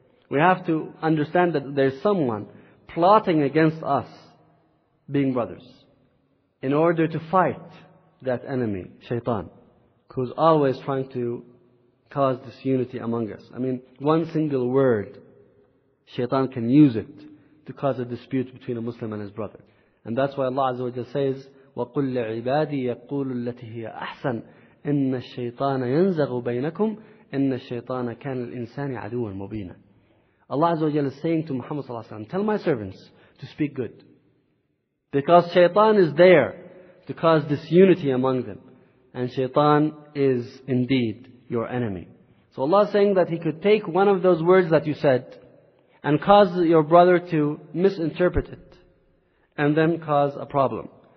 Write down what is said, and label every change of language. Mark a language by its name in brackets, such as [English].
[English] We have to understand that there's someone plotting against us being brothers in order to fight that enemy, shaitan, who's always trying to cause disunity among us. I mean, one single word, shaitan can use it to cause a dispute between a Muslim and his brother. And that's why Allah Azza wa Jalla says, [Arabic] وَقُلْ لِعِبَادِي يَقُولُ الَّتِي هِيَ أَحْسَنُ إِنَّ الشَّيْطَانَ يَنْزَغُ بَيْنَكُمْ إِنَّ الشَّيْطَانَ كَانَ الْإِنسَانِ عَدُوًا مُبِينًا. [English] Allah Azza wa Jalla is saying to Muhammad Sallallahu Alaihi Wasallam, tell my servants to speak good. Because shaitan is there to cause disunity among them. And shaitan is indeed your enemy. So Allah is saying that He could take one of those words that you said and cause your brother to misinterpret it and then cause a problem.